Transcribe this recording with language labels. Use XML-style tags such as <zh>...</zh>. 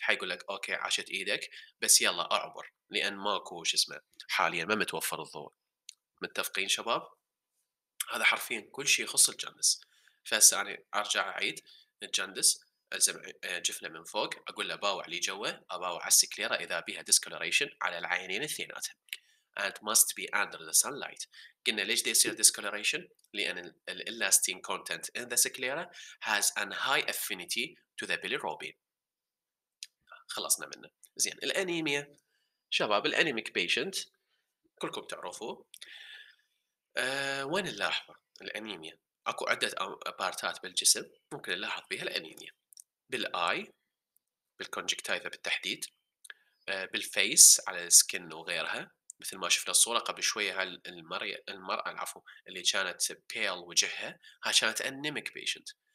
<ar>حيقول لك أوكي عاشت إيدك، بس يلا أعبر، لأن ماكو شو اسمه حاليا ما متوفر الضوء. متفقين شباب؟ هذا حرفيا كل شيء يخص الجاندس. فهسه أنا أرجع أعيد، الجاندس ألزم جفنة من فوق، أقول له باوع لي جوه، أباوع على السكليرا إذا بيها discoloration على العينين الاثنيناتهم.</ar> <en>And must be under the sunlight.</en> <ar>قلنا ليش دي يصير</ar> <en>discoloration؟</en> <ar>لأن ال</ar> <en>elastin content in the sclera has an high affinity to the bilirubin.</en> <ar>خلصنا منه. زين، الأنيميا شباب، الأنيميك patient كلكم تعرفوا. وين نلاحظ الأنيميا؟ أكو عدة بارتات بالجسم ممكن نلاحظ بها الأنيميا، بالآي، بالكونجكتايفا بالتحديد، بالفيس على السكن وغيرها، مثل ما شفنا الصورة قبل شوية، المرأة العفو اللي كانت pale وجهها، ها كانت anemic patient.</ar>